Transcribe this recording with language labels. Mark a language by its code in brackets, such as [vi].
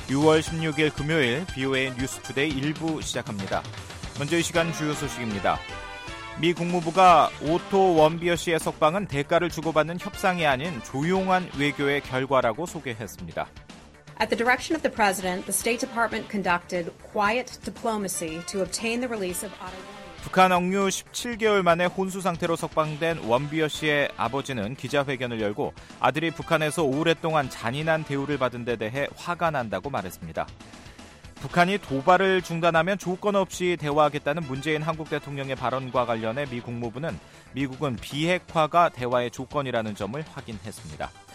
[ko] 6월 16일 금요일 VOA 뉴스 투데이 1부 시작합니다. 먼저 이 시간 주요 소식입니다. 미 국무부가 오토 원비어 씨의 석방은 대가를 주고받는 협상이 아닌 조용한 외교의 결과라고 소개했습니다. [en] At the direction of the president, the State Department conducted quiet diplomacy to obtain the release of Otto. [ko] 북한 억류 17개월 만에 혼수 상태로 석방된 원비어 씨의 아버지는 기자회견을 열고 아들이 북한에서 오랫동안 잔인한 대우를 받은 데 대해 화가 난다고 말했습니다. 북한이 도발을 중단하면 조건 없이 대화하겠다는 문재인 한국 대통령의 발언과 관련해 미 국무부는 미국은 비핵화가 대화의 조건이라는 점을 확인했습니다.